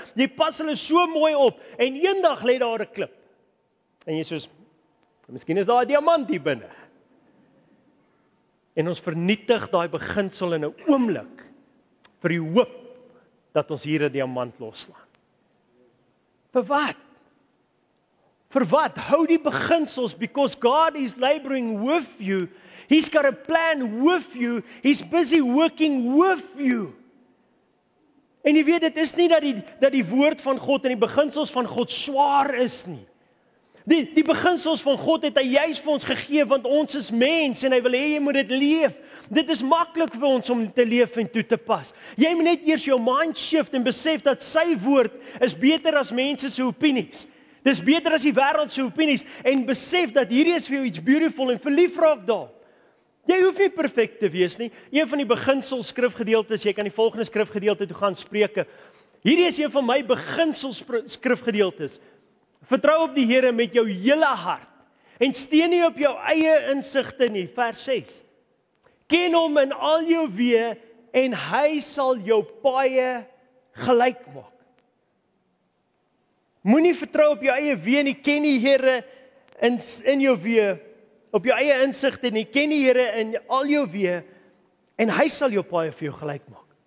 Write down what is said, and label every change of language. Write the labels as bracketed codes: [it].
[af] Jy pas hulle so mooi op en eendag lê daar 'n klip. En jy soos, miskien is daar 'n diamant hier binne. En ons vernietig daai beginsel in 'n oomblik vir die hoop dat ons hier 'n diamant loslaan. Vir wat? Vir wat? Hou die beginsels, [en] because God is laboring with you. He's got a plan with you. He's busy working with you. [af] En jy weet, dit is nie dat die woord van God en die beginsels van God swaar is nie. Die beginsels van God het hy juis vir ons gegee, want ons is mens en hy wil hê jy moet dit leef. Dit is maklik vir ons om te leef en toe te pas. Jy moet net eers jou mind shift en besef dat sy woord is beter as mense se opinies. Dis beter as die wêreld se opinies en besef dat hierdie is vir jou iets beautiful en verlief raak daar. Jy hoef nie perfek te wees nie. Een van die beginsel skrifgedeeltes, jy kan die volgende skrifgedeelte toe gaan Spreuke. Hierdie is een van my beginsel skrifgedeeltes. Vertrou op die Here met jou hele hart en steun nie op jou eie insigte nie. Vers 6. Ken hom in al jou weë en hy sal jou paaie gelyk maak. Moenie vertrou op jou eie weë nie, ken die Here in jou weë, op jou eie insigte nie, ken die Here in al jou weë en hy sal jou paaie vir jou gelyk maak.